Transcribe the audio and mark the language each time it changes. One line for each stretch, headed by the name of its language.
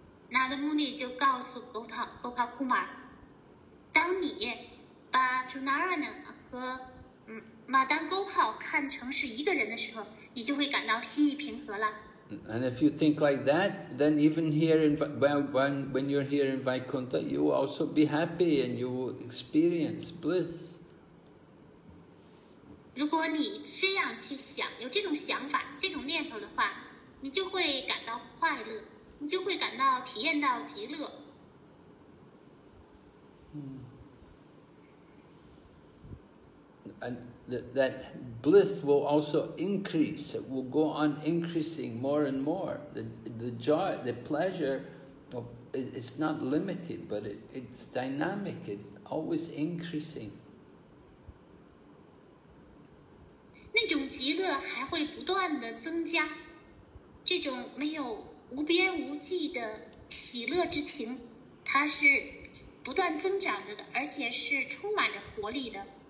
Chinese: Narada Muni 就告诉 Gopal Kumar, 当你把主拿让人和Madan Gopal 看成是一个人的时候，你就会感到心意平和了。
English: And if you think like that, then even here in, when you're here in Vaikuntha, you will also be happy and you will experience bliss.
Chinese: 如果你这样去想，有这种想法，这种念头的话，你就会感到快乐，你就会感到体验到极乐。
English: And that bliss will also increase. It will go on increasing more and more. The joy, the pleasure, of, it's not limited, but it's dynamic. It's always increasing.
Chinese: 那种极乐还会不断的增加，这种没有无边无际的喜乐之情，它是不断增长着的，而且是充满着活力的。